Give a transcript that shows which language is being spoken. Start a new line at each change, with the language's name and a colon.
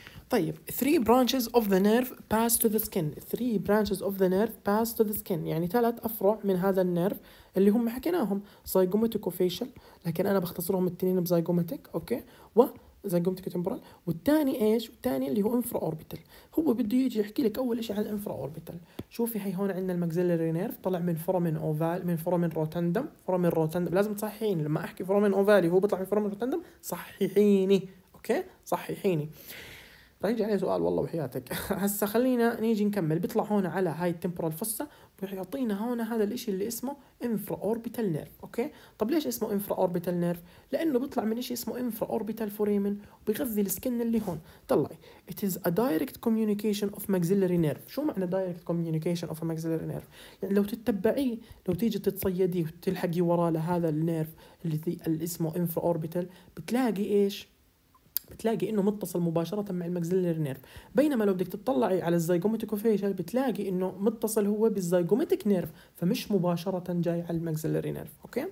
Arabic: طيب
English: 3 branches of the nerve pass to the skin. 3 branches of the nerve pass to the skin،
Arabic: يعني ثلاث أفرع من هذا النيرف اللي هم حكيناهم زيجوماتيكو فيشل، لكن أنا بختصرهم التنين بزيجوماتيك، أوكي، وزيجوماتيكو تيمبرال، والتاني إيش؟ والتاني اللي هو انفرا أوربيتال. هو بده يجي يحكي لك أول إشي عن الانفرا أوربيتال. شوفي هاي هون عندنا المكزيلري نيرف طلع من فورمن أوفال، من فورمن روتندم، فورمن روتندم، لازم تصححين لما أحكي فورمن أوفالي هو بيطلع من فورمن روتندم، صححيني، أوكي، صححيني، رجع عليه سؤال والله وحياتك. هسا خلينا نيجي نكمل، بيطلع هون على هاي التمبرال فصة ويعطينا هون هذا الاشي اللي اسمه انفرا اوربيتال نيرف، اوكي. طب ليش اسمه انفرا اوربيتال نيرف؟ لانه بيطلع من اشي اسمه انفرا اوربيتال فوريمن وبيغذي السكن اللي هون. طلعي
English: it is a direct communication of maxillary nerve.
Arabic: شو معنى
English: direct communication of maxillary nerve؟
Arabic: يعني لو تتبعي، لو تيجي تتصيدي وتلحقي وراء لهذا النيرف اللي اسمه انفرا اوربيتال، بتلاقي ايش؟ بتلاقي انه متصل مباشره مع المكسيلري نيرف، بينما لو بدك تطلعي على الزيجوماتيكو فيشل بتلاقي انه متصل هو بالزيجوماتيك نيرف، فمش مباشره جاي على المكسيلري نيرف، اوكي.